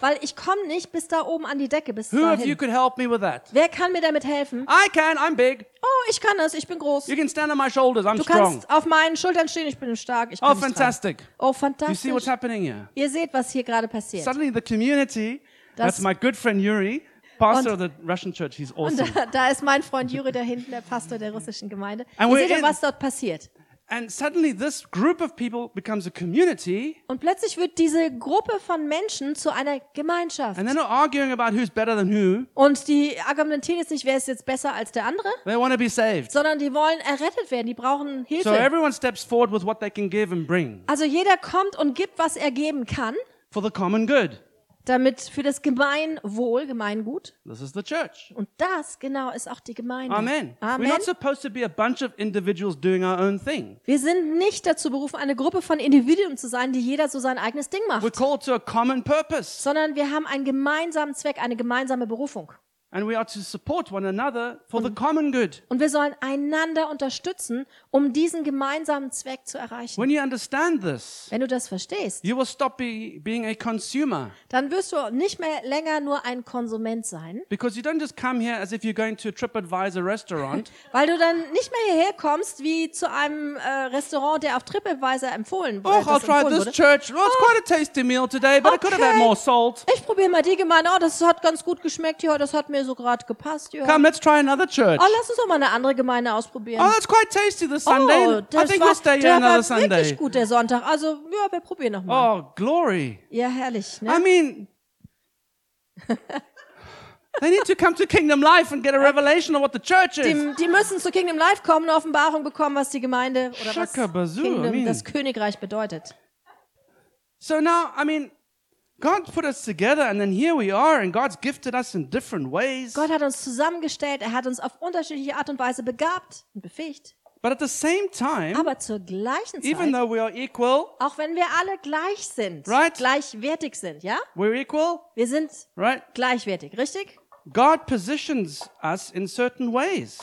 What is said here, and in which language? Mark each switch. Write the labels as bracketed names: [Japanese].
[German] Weil ich komme nicht bis da oben an die Decke, bis [English] Who [German] dahin. [English] Of you could help me with that? [German] Wer kann mir damit helfen? [English] I can, I'm big. [German] Oh, ich kann das, ich bin groß. [English] You can stand on my shoulders, I'm [German] du [English] strong. [German] Kannst auf meinen Schultern stehen, ich bin stark. Ich [English] oh, fantastic. [German] Oh, fantastisch. [English] You see what's happening here? [German] Ihr seht, was hier gerade passiert. [English] Suddenly the community, that's my good friend Yuri, Pastor of the Russian Church, he's awesome. [German] Und da ist mein Freund Yuri da hinten, der Pastor der russischen Gemeinde. Ihr seht, was dort passiert. [English] And suddenly this group of people becomes a community. [German] Und plötzlich wird diese Gruppe von Menschen zu einer Gemeinschaft. [English] And they're not arguing about who's better than who. [German] Und die argumentieren jetzt nicht, wer ist jetzt besser als der andere. [English] They want to be saved. [German] Sondern die wollen errettet werden, die brauchen Hilfe. [English] So everyone steps forward with what they can give and bring. [German] Also jeder kommt und gibt, was er geben kann. [English] For the common good. [German] Damit für das Gemeinwohl, Gemeingut. [English] This is the church. [German] Und das genau ist auch die Gemeinde. Amen. Amen. [English] We're not supposed to be a bunch of individuals doing our own thing. [German] Wir sind nicht dazu berufen, eine Gruppe von Individuen zu sein, die jeder so sein eigenes Ding macht. [English] We're called to a common purpose. [German] Sondern wir haben einen gemeinsamen Zweck, eine gemeinsame Berufung. [English] And we are to support one another for the common good. [German] Und wir sollen einander unterstützen, um diesen gemeinsamen Zweck zu erreichen. [English] When you understand this, [German] wenn du das verstehst, [English] you will stop being a consumer. [German] Dann wirst du nicht mehr länger nur ein Konsument sein. [English] Because you don't just come here as if you're going to a TripAdvisor restaurant. [German] Weil du dann nicht mehr hierher kommst wie zu einem Restaurant, der auf TripAdvisor empfohlen wurde. [English] Oh, I'll try this church. Well, it's quite a tasty meal today, but okay. I could have had more salt. [German] Ich probiere mal die Gemeinde. Oh, das hat ganz gut geschmeckt hier. Das hat mir so gerade gepasst. Ja. [English] Come, let's try another church. [German] Oh, lass uns doch mal eine andere Gemeinde ausprobieren. [English] Oh, that's quite tasty this Sunday. [German] Oh, das [English] I think we'll stay here another Sunday. [German] Wirklich gut der Sonntag. Also, ja, wir probieren noch mal. [English] Oh, glory. [German] Ja, herrlich, ne? [English] I mean, they need to come to Kingdom Life and get a revelation of what the church is. [German] Die müssen zu Kingdom Life kommen, eine Offenbarung bekommen, was die Gemeinde oder was Kingdom, das Königreich bedeutet. [English] So now, I mean, God put us together and then here we are and God's gifted us in different ways. [German] Gott hat uns zusammengestellt, er hat uns auf unterschiedliche Art und Weise begabt und befähigt. [English] But at the same time, [German] aber zur gleichen Zeit, [English] even though we are equal, [German] auch wenn wir alle gleich sind, [English] right? [German] Gleichwertig sind, ja? [English] We're equal, [German] wir sind [English] right? [German] Gleichwertig, richtig? [English] God positions us in certain ways.